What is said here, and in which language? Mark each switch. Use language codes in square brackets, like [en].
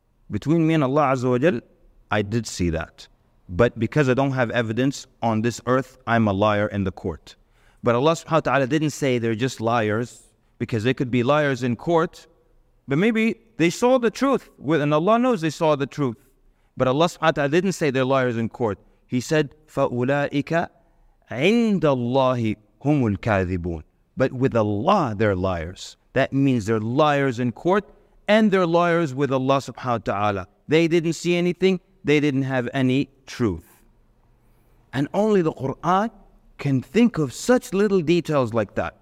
[en] Between me and Allah Azza wa Jal, I did see that. But because I don't have evidence on this earth, I'm a liar in the court. But Allah subhanahu wa ta'ala didn't say they're just liars, because they could be liars in court. But maybe they saw the truth, and Allah knows they saw the truth. But Allah subhanahu wa ta'ala didn't say they're liars in court. He said, [ar] فَأُولَٰئِكَ عِنْدَ اللَّهِ هُمُ الْكَاذِبُونَ. [en] But with Allah, they're liars. That means they're liars in court and they're liars with Allah subhanahu wa ta'ala. They didn't see anything. They didn't have any truth. And only the Quran can think of such little details like that.